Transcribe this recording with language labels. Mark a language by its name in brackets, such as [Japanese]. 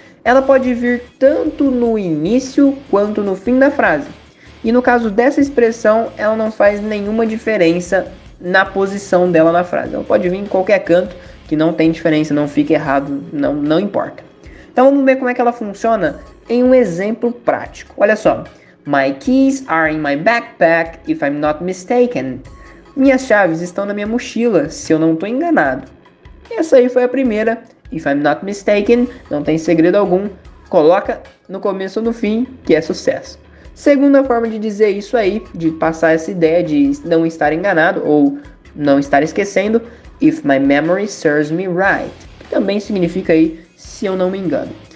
[Portuguese] Ela pode vir tanto no início quanto no fim da frase. E no caso dessa expressão, ela não faz nenhuma diferença na posição dela na frase. Ela pode vir em qualquer canto, que não tem diferença, não fica errado, não importa. Então vamos ver como é que ela funciona em um exemplo prático. Olha só. [English] My keys are in my backpack, if I'm not mistaken. [Portuguese] Minhas chaves estão na minha mochila, se eu não estou enganado. Essa aí foi a primeira. [English] If I'm not mistaken, [Portuguese] não tem segredo algum. Coloca no começo ou no fim, que é sucesso. Segunda forma de dizer isso aí, de passar essa ideia de não estar enganado ou não estar esquecendo, [English] if my memory serves me right, [Portuguese] que também significa aí se eu não me engano.